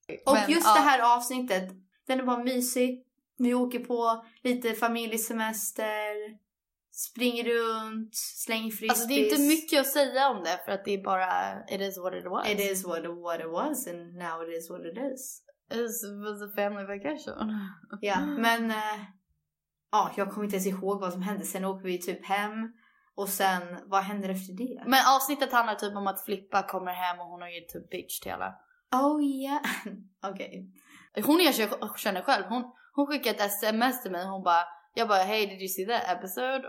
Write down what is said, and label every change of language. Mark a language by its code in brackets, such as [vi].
[sv] Och men, just det här avsnittet, den är bara mysig. Vi åker på lite familjesemester, springer runt, slänger frisbees. Alltså det är inte mycket att säga om det, för att det är bara, [en] it is what it was. It is what it was, and now it is what it is. It was a family vacation. [sv] Ja, men jag kommer inte ens ihåg vad som hände. Sen åker vi typ hem, och sen, vad händer efter det? Men avsnittet handlar typ om att Flippa kommer hem och hon har gett typ bitch till alla. [en] Oh yeah, okej. Okay. [sv] Hon är känner själv, hon skickade ett sms till mig. Hon bara, jag bara, [en] hey, did you see that episode?